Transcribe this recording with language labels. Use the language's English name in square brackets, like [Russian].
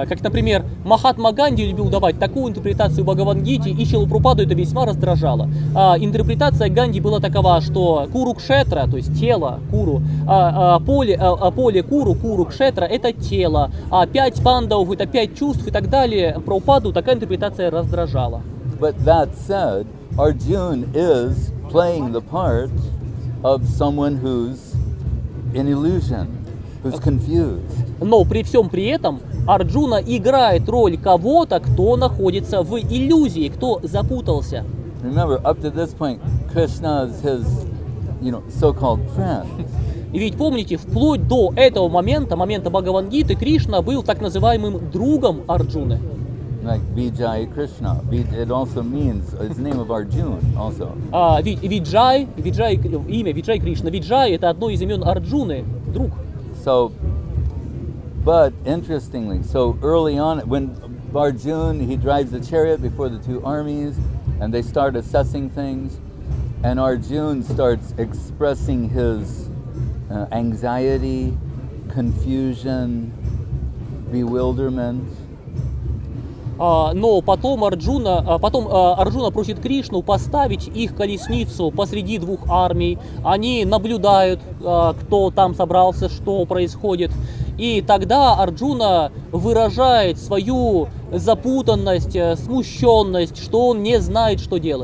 [Russian] Как, например, Махатма Ганди любил давать такую интерпретацию Бхагавад-гите, и Шрила Прабхупаду это весьма раздражало. Интерпретация Ганди была такова, что Курукшетра, то есть тело, Куру, поле Куру, Курукшетра – это тело, а пять Пандавов – это пять чувств и так далее. Прабхупаду такая интерпретация раздражала. [English] But that said, Arjuna is playing the part of someone who's in illusion, who's confused. [Russian] Но при всем при этом Арджуна играет роль кого-то, кто находится в иллюзии, кто запутался. [English] Remember, up to this point, Krishna is his, so-called friend. [Russian] И ведь помните, вплоть до этого момента, момента Бхагавад-гиты, Кришна был так называемым другом Арджуны. [English] Like Vijay Krishna, it also means his name of Arjuna also. [Russian] Vijay Krishna. Vijay – это одно из имен Арджуны, друг. [English] So, But interestingly, so early on, when Arjuna, he drives the chariot before the two armies, and they start assessing things, and Arjuna starts expressing his anxiety, confusion, bewilderment. [Russian] Но потом Арджуна, потом Арджуна просит Кришну поставить их колесницу посреди двух армий. Они наблюдают, кто там собрался, что происходит. И тогда Арджуна выражает свою запутанность, смущенность, что он не знает, что